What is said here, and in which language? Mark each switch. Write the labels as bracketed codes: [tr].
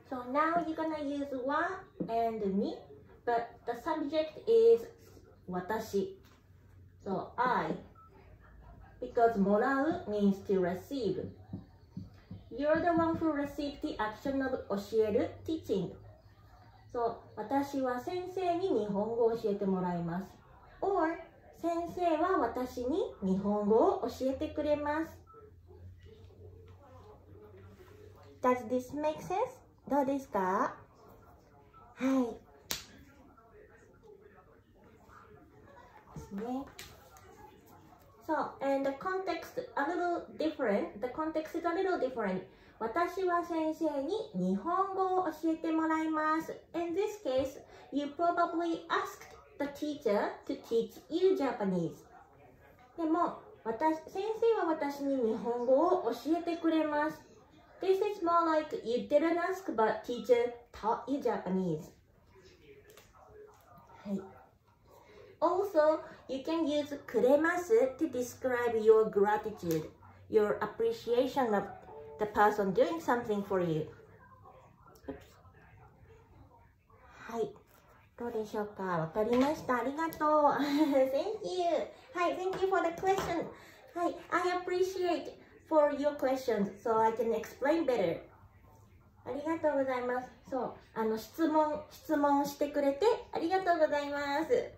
[en] Now you're gonna use wa and me, but the subject is 私. So I, because もらう means to receive. You're the one who received the action of 教える teaching. [ja] So 私は先生に日本語を教えてもらいます。 Or 先生は私に日本語を教えてくれます。 [en] Does this make sense? [ja] どうですか？はい。ですね。 [en] So, and the context a little different. The context is a little different. [ja] 私は先生に日本語を教えてもらいます。 [en] In this case, you probably asked the teacher to teach you Japanese. [ja] でも、先生は私に日本語を教えてくれます。 [en] This is more like you didn't ask, but teacher taught you Japanese. [ja] はい。 [en] Also, you can use くれます to describe your gratitude, your appreciation of the person doing something for you. [ja] はい。どうでしょうか？わかりました。ありがとう。 [en] Thank you. [ja] はい。 [en] Thank you for the question. はい。 I appreciate. For your questions, so I can explain better. [ja] ありがとうございます。そう、質問してくれてありがとうございます。